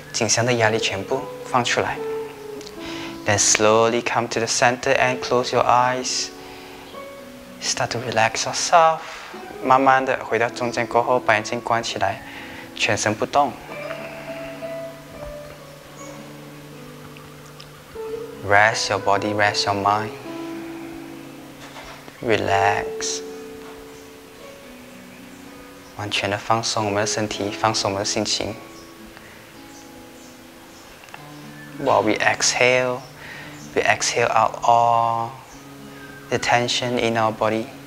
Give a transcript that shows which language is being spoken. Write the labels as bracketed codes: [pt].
[zh] 把你颈项的压力全部放出来. [en] Then slowly come to the center and close your eyes. Start to relax yourself. [zh] 慢慢地回到中间过后, 把眼睛关起来, 全身不动. [en] Rest your body, rest your mind. Relax. [zh] 完全地放松我们的身体，放松我们的心情. [en] While we exhale out all the tension in our body.